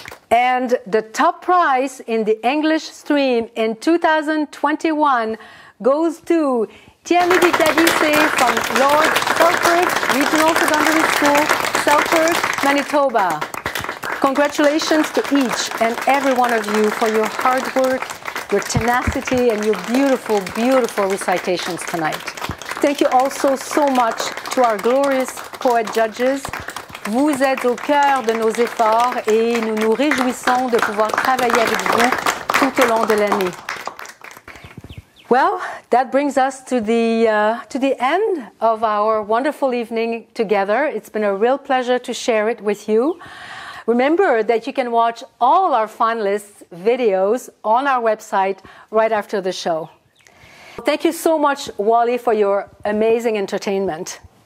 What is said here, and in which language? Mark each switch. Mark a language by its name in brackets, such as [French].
[English] And the top prize in the English stream in 2021 goes to Tiamidi Davise from Lord Selkirk Regional Secondary School, Selkirk, Manitoba. Congratulations to each and every one of you for your hard work, your tenacity, and your beautiful, beautiful recitations tonight. Thank you also so much to our glorious poet judges. [French] Vous êtes au cœur de nos efforts et nous nous réjouissons de pouvoir travailler avec vous tout au long de l'année. Well, [English] That brings us to the end of our wonderful evening together. It's been a real pleasure to share it with you. Remember that you can watch all our finalists' videos on our website right after the show. Thank you so much, Wally, for your amazing entertainment.